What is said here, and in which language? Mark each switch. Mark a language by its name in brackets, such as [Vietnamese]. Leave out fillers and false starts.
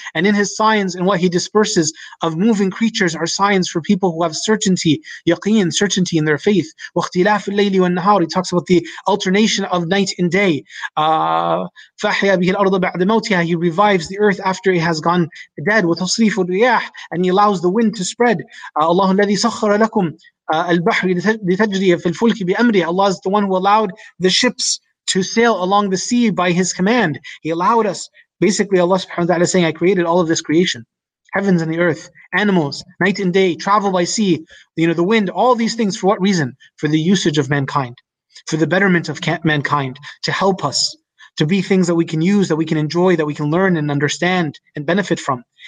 [English] And in his signs and what he disperses of moving creatures are signs for people who have certainty, yaqeen, certainty in their faith. [Arabic] وَاخْتِلَافِ اللَّيْلِ وَالنَّهَارِ. [English] He talks about the alternation of night and day. [Arabic] فَحْيَا بِهِ الْأَرْضَ بَعْدَ مَوْتِهَا. [English] He revives the earth after it has gone dead. [Arabic] وَتَصْرِيفُ الرِّيَاحِ. [English] And he allows the wind to spread. [Arabic] اللَّهُ الَّذِي سَخَّرَ لَكُمْ البحر لتجري في الفلك بأمره. [English] Allah is the one who allowed the ships to sail along the sea by his command. He allowed us. Basically, Allah subhanahu wa ta'ala is saying, I created all of this creation. Heavens and the earth, animals, night and day, travel by sea, you know, the wind, all these things for what reason? For the usage of mankind, for the betterment of mankind, to help us, to be things that we can use, that we can enjoy, that we can learn and understand and benefit from.